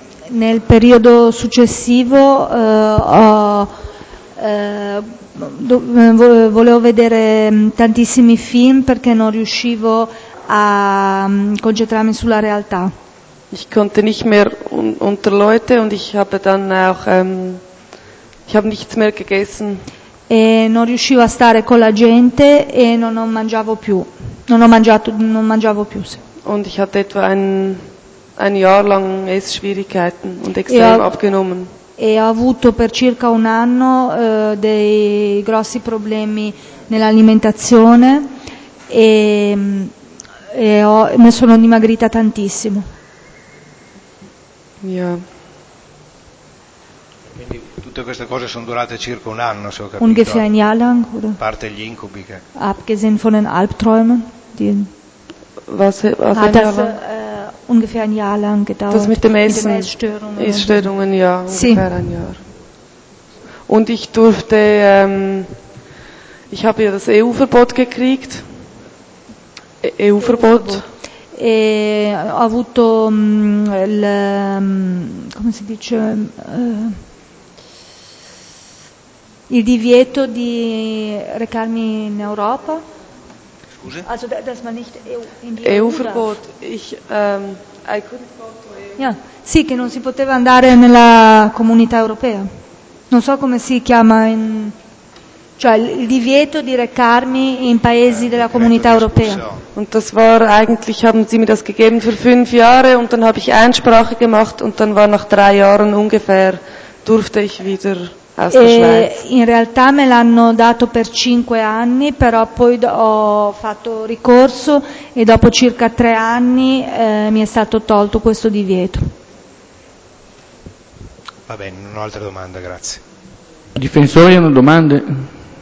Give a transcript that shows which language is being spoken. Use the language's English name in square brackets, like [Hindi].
[Italian] Nel periodo successivo volevo vedere tantissimi film perché non riuscivo a concentrarmi sulla realtà. [German] Ich konnte nicht mehr unter Leute und ich habe dann auch ich habe nichts mehr gegessen. [Italian] E non riuscivo a stare con la gente e non mangiavo più. Non mangiavo più. [German] Und ich hatte etwa ein Jahr lang Essschwierigkeiten und extrem abgenommen. [Italian] E ho avuto per circa un anno dei grossi problemi nell'alimentazione e mi sono dimagrita tantissimo. Yeah. Quindi tutte queste cose sono durate circa un anno, se ho capito. [German] Ungefähr ein Jahr lang, oder? [Italian] Parte gli incubi che. [German] Abgesehen von den Albträumen, die was hat das ungefähr ein Jahr lang gedauert. Das mit dem Essen, Essstörungen, ja, ungefähr ein Jahr. Und ich durfte, ich habe ja das EU-Verbot gekriegt. EU-Verbot. [Italian] E ho avuto il, come si dice, il divieto di recarmi in Europa. Scusi? [German] Also, dass man nicht EU, in die EU-Verbot. Ich, [English] I couldn't go to EU. Yeah. [Italian] Sì, che non si poteva andare nella comunità europea. Non so come si chiama in, cioè il divieto di recarmi in paesi della comunità europea. [German] Und das war eigentlich, haben sie mir das gegeben für 5 Jahre und dann habe ich Einsprache gemacht und dann war nach 3 Jahren ungefähr durfte ich wieder aus der Schweiz. [Italian] In realtà me l'hanno dato per 5 anni, però poi ho fatto ricorso e dopo circa 3 anni mi è stato tolto questo divieto. Va bene, non ho altre domande, grazie. Difensori hanno domande?